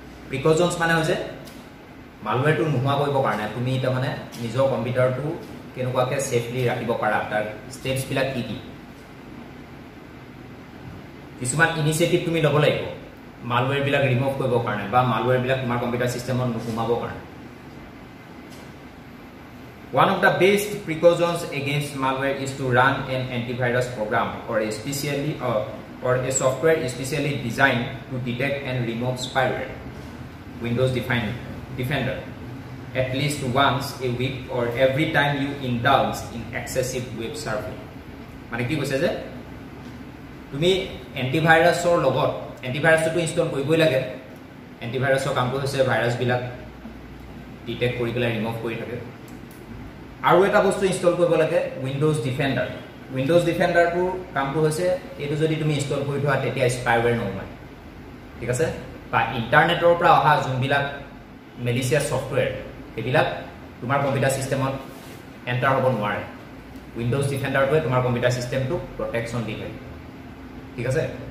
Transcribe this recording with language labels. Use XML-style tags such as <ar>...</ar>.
<as>প্ৰিকজনছ মানে হৈছে মালৱেৰটো নোহোৱা কৰিবৰ কাৰণে তুমি তাৰমানে নিজৰ কম্পিউটাৰটো কেনেকুৱাকৈ ছেফলি ৰাখিব পাৰা, তাৰ ষ্টেপছবিলাক কি কি, কিছুমান ইনিচিয়েটিভ তুমি ল'ব লাগিব মালৱেৰবিলাক ৰিমুভ কৰিবৰ কাৰণে বা মালৱেৰবিলাক তোমাৰ কম্পিউটাৰ চিষ্টেমত নোসোমাবৰ কাৰণে।</as> <en>One of the best precautions against malware is to run an antivirus program or especially or a software specially designed to detect and remove spyware, Windows Defender. at least once a week or every time you indulge in excessive web surfing.</en> <as>মানে কি কৈছে যে তুমি এন্টিভাইৰাসৰ লগত এন্টিভাইৰাসটো install কৰিবই লাগে এন্টিভাইৰাসৰ কামটো হৈছে ভাইৰাছ বিলাক ডিটেক্ট কৰি গলা ৰিমুভ কৰি থাকে আৰু এটা বস্তু ইনষ্টল কৰিব লাগে উইন্ডোজ ডিফেন্ডাৰ উইন্ডোজ ডিফেন্ডাৰটো কামটো হৈছে এটো যদি তুমি ইনষ্টল কৰি থোৱা তেতিয়া স্পাইৱেৰ নহয় ঠিক আছে বা ইন্টাৰনেটৰ পৰা অহা জুমবিলাক মেলিশিয়াস সফটৱেৰ এবিলাক তোমাৰ কম্পিউটাৰ সিস্টেমত এন্টাৰ হ'ব নোৱাৰে উইন্ডোজ ডিফেন্ডাৰটোৱে তোমাৰ কম্পিউটাৰ সিস্টেমটো প্ৰটেকচন দিয়ে ঠিক আছে</as>